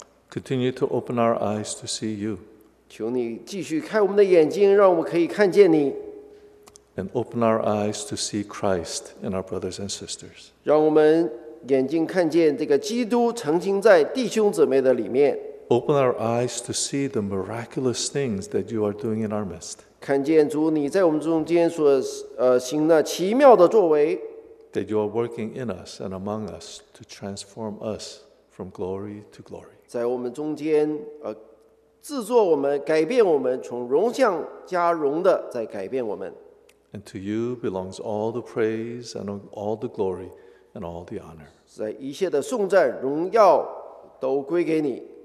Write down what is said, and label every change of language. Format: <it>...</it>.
<en>Continue to open our eyes to see you.</en> <zh>求你继续开我们的眼睛，让我们可以看见你。</zh> <en>And open our eyes to see Christ in our brothers and sisters.</en> <zh>让我们眼睛看见这个基督曾经在弟兄姊妹的里面。</zh> <en>Open our eyes to see the miraculous things that you are doing in our midst.</en> <zh>看见主你在我们中间所行的奇妙的作为</zh> <en>，that you are working in us and among us to transform us from glory to glory.</en> <zh>在我们中间，制作我们，改变我们，从荣向加荣的在改变我们。</zh> <en>And to you belongs all the praise and all the glory and all the honor.</en> <zh>在一切的颂赞荣耀都归给你。</zh>